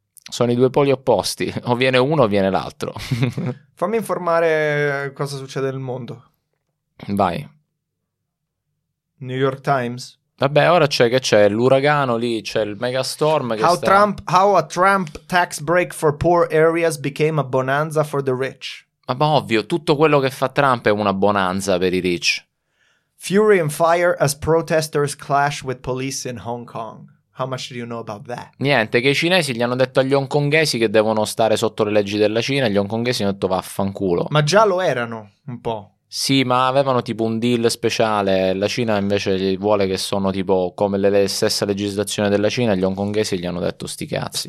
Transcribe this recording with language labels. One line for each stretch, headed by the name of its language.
Italian: Sono i due poli opposti, o viene uno o viene l'altro. Fammi informare cosa succede nel mondo. Vai.
English: New York Times.
Italian: Vabbè, ora c'è l'uragano lì, c'è il megastorm.
English: How a Trump tax break for poor areas became a bonanza for the rich.
Italian: Ma ovvio, tutto quello che fa Trump è una bonanza per i rich.
English: Fury and fire as protesters clash with police in Hong Kong. How much do you know about that?
Italian: Niente, che i cinesi gli hanno detto agli hongkongesi che devono stare sotto le leggi della Cina, gli hongkongesi hanno detto vaffanculo. Ma già lo erano, un po'. Sì, ma avevano tipo un deal speciale. La Cina invece vuole che sono tipo come le stessa legislazione della Cina. Gli hongkongesi gli hanno detto sti cazzi.